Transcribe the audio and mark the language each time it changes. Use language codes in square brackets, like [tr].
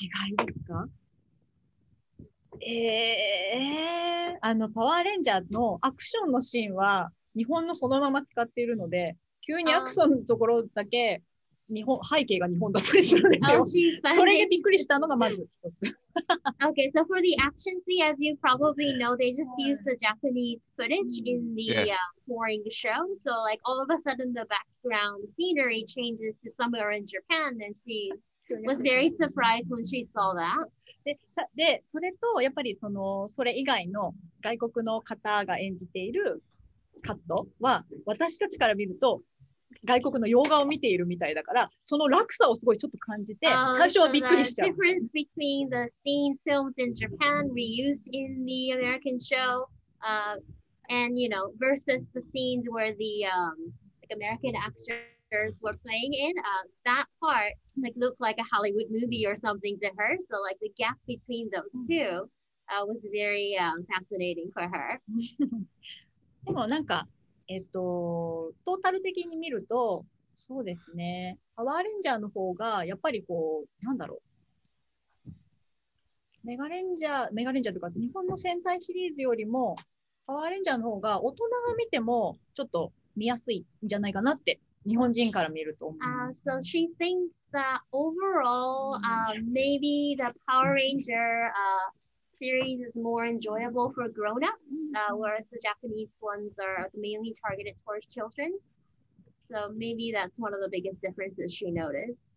[ja] 違いですか？あの、パワーレンジャーのアクションのシーンは日本のそのまま使っているので、急にアクションのところだけ日本、背景が日本だったりするんですよ。それでびっくりしたのがまず一つ。 [en] Okay, so for the action scene, as you probably know, they just used the Japanese footage in the foreign show. So like all of a sudden the background scenery changes to somewhere in Japan and she was very surprised when she saw that. [ja] で、それとやっぱりその、それ以外の外国の方が演じているカットは私たちから見ると外国の洋画を見ているみたいだから、その落差をすごいちょっと感じて、最初はびっくりしちゃう。 [en] The difference between the scenes filmed in Japan reused in the American show, and you know, versus the scenes where the like American actors were playing in, that part like looked like a Hollywood movie or something to her. So like the gap between those two was very fascinating for her. [ja] でもなんか。トータル的に見るとそうですね、パワーレンジャーの方がやっぱりこうなんだろう、メガレンジャーというか日本の戦隊シリーズよりもパワーレンジャーの方が大人が見てもちょっと見やすいんじゃないかなって日本人から見ると思う。 [en] So she thinks that overall maybe the Power Ranger series is more enjoyable for grown-ups, whereas the Japanese ones are mainly targeted towards children. So maybe that's one of the biggest differences she noticed.